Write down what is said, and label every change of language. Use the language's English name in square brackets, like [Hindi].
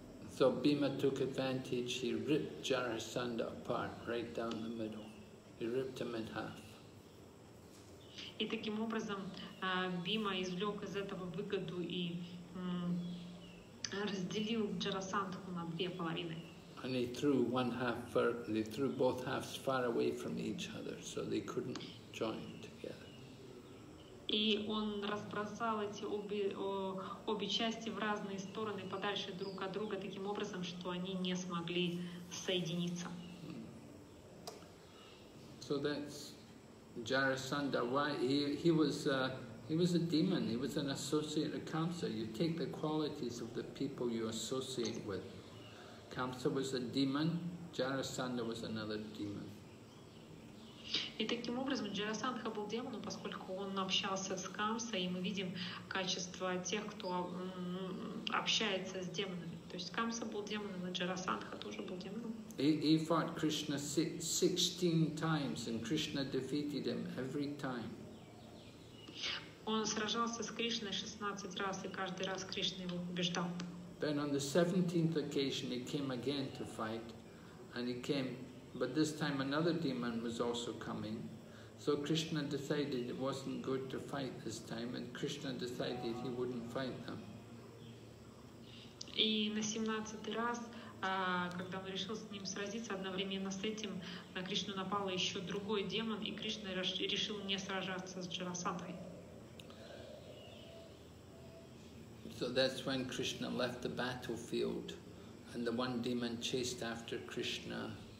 [English] So Bhima took advantage, he ripped Jarasandha apart, right down the middle. He ripped him in half. [Russian] И таким образом Бхима извлек из этого выгоду и разделил Джарасандху на две половины. [English] And he threw one half far, they threw both halves far away from each other, so they couldn't join. [Russian] И он разбросал эти обе части в разные стороны, подальше друг от друга, таким образом, что они не смогли соединиться. [English] So that's Jarasandha. Why he was a demon. He was an associate of Kamsa. You take the qualities of the people you associate with. Kamsa was a demon. Jarasandha was another demon. [Russian] И таким образом Джарасандха был демоном, поскольку он общался с Камсой, и мы видим качество тех, кто общается с демонами. То есть Камса был демоном, и Джарасандха тоже был демоном. [English] He fought Krishna 16 times, and Krishna defeated him every time. [Russian] Он сражался с Кришной 16 раз, и каждый раз Кришна его побеждал. [English] Then on the 17th occasion he came again to fight, and he came. But this time another demon was also coming. So Krishna decided it wasn't good to fight this time, and Krishna decided he wouldn't fight them. [Russian] И на 17-й раз, когда он решил с ним сразиться, одновременно с этим на Кришну напал еще другой демон, и Кришна решил не сражаться с Джарасандхой. [English] So that's when Krishna left the battlefield, and the one demon chased after Krishna.